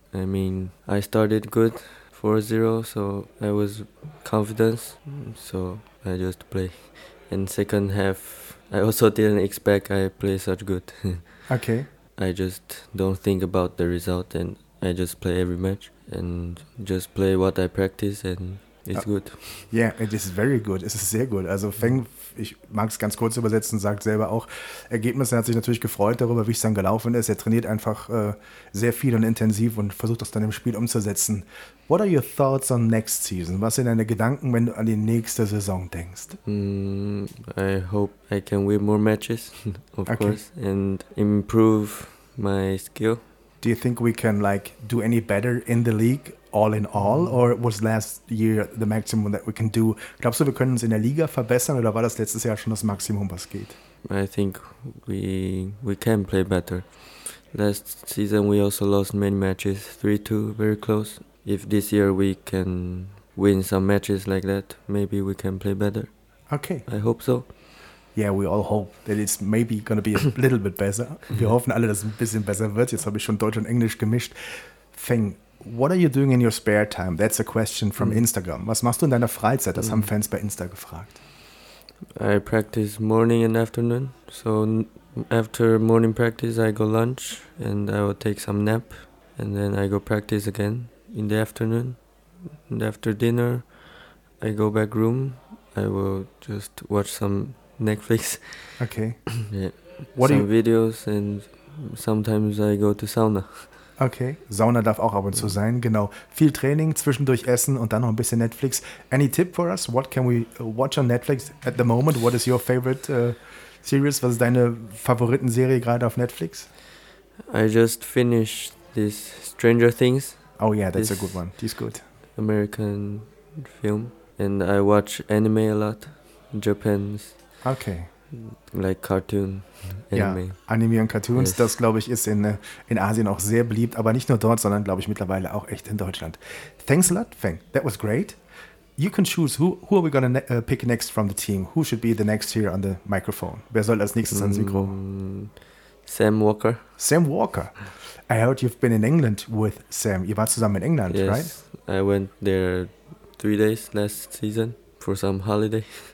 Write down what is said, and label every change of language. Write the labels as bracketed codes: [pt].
[en] I mean, I started good, 4-0, so I was confident, so I just play. And second half, I also didn't expect I play such good. Okay. I just don't think about the result and I just play every match and just play what I practice and it's good. Yeah, it is very good. [de] Es ist sehr gut. Also Feng ich mag es ganz kurz übersetzen, sagt selber auch, Ergebnisse, er hat sich natürlich gefreut darüber, wie es dann gelaufen ist. Er trainiert einfach sehr viel und intensiv und versucht das dann im Spiel umzusetzen. [en] What are your thoughts on next season? [de] Was sind deine Gedanken, wenn du an die nächste Saison denkst? [en] I hope I can win more matches, of okay. course, and improve my skill. Do you think we can like do any better in the league all in all, or was last year the maximum that we can do? [de] Glaubst du, wir können uns in der Liga verbessern, oder war das letztes Jahr schon das Maximum, was geht? [en] I think we can play better. Last season we also lost many matches, 3-2, very close. If this year we can win some matches like that, maybe we can play better. Okay. I hope so. Yeah, we all hope that it's maybe going to be a little bit better. [de] Wir hoffen alle, dass es ein bisschen besser wird. Jetzt habe ich schon Deutsch und Englisch gemischt. [en] Feng, what are you doing in your spare time? That's a question from Instagram. [de] Was machst du in deiner Freizeit? Das haben Fans bei Insta gefragt. [en] I practice morning and afternoon. So after morning practice, I go lunch and I will take some nap. And then I go practice again in the afternoon. And after dinner, I go back room. I will just watch some Netflix. Okay. Yeah. What some videos and sometimes I go to sauna. [de] Okay. Sauna darf auch ab und zu sein. Genau. Viel Training, zwischendurch Essen und dann noch ein bisschen Netflix. [en] Any tip for us? What can we watch on Netflix at the moment? What is your favorite series? [de] Was ist deine Favoritenserie gerade auf Netflix? [en] I just finished this Stranger Things. Oh yeah, that's a good one. This is good. American film. And I watch anime a lot. Japan's. Okay. Like Cartoon, [de] Anime. Ja, Anime und Cartoons, yes. Das glaube ich ist in Asien auch sehr beliebt, aber nicht nur dort, sondern glaube ich mittlerweile auch echt in Deutschland. [en] Thanks a lot, Feng. That was great. You can choose who are we going to pick next from the team? Who should be the next here on the microphone? [de] Wer soll als nächstes ans Mikro? [en] Sam Walker. Sam Walker. I heard you've been in England with Sam. [de] Ihr wart zusammen in England, [en] yes, right? I went there 3 days last season for some holiday.